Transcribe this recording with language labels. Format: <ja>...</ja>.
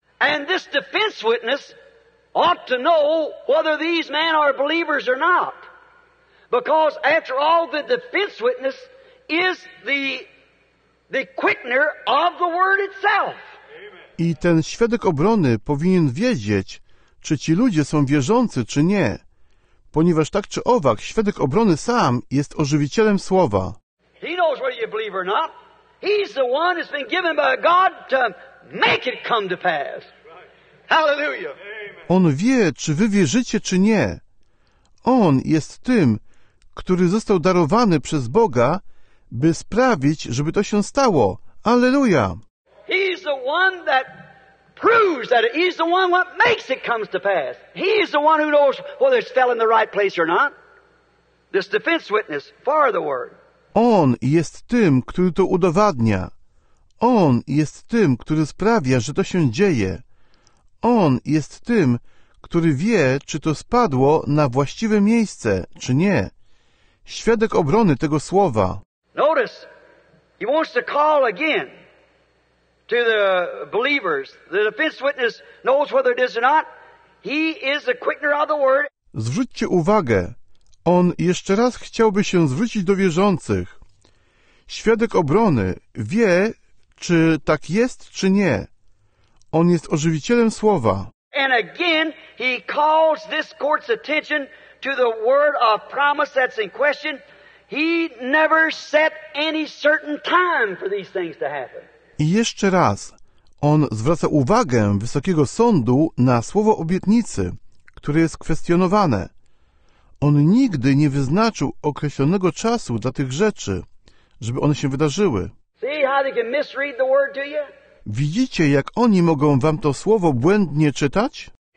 <en>And this defense witness ought to know whether these men are believers or not. Because after all, the defense witness is the quickener of the word itself.</en> <pl>I ten świadek obrony powinien wiedzieć, czy ci ludzie są wierzący, czy nie? Ponieważ tak czy owak, świadek obrony sam jest ożywicielem słowa.</pl> <en>He knows whether you believe or not. He's the one that's been given by God to make it come to pass. Hallelujah.</en> <pl>On wie, czy wy wierzycie, czy nie. On jest tym, który został darowany przez Boga, by sprawić, żeby to się stało. Alleluja.</pl> <en>He's the one that proves that he's the one what makes it comes to pass. He is the one who knows whether it's fell in the right place or not. This defense witness for the word.</en> <pl>On jest tym, który to udowadnia. On jest tym, który sprawia, że to się dzieje. On jest tym, który wie, czy to spadło na właściwe miejsce, czy nie. Świadek obrony tego słowa.</pl> <en>Notice, he wants to call again to the believers. The defense witness knows whether it is or not. He is the quickener of the word.</en> <pl>Zwróćcie uwagę. On jeszcze raz chciałby się zwrócić do wierzących. Świadek obrony wie, czy tak jest, czy nie. On jest ożywicielem słowa.</pl> <en>And again, he calls this court's attention to the word of promise that's in question. He never set any certain time for these things to happen.</en> <pl>I jeszcze raz, on zwraca uwagę Wysokiego Sądu na słowo obietnicy, które jest kwestionowane. On nigdy nie wyznaczył określonego czasu dla tych rzeczy, żeby one się wydarzyły.</pl> <en>See how they can misread the word to you?</en> <pl>Widzicie, jak oni mogą wam to słowo błędnie czytać?</pl>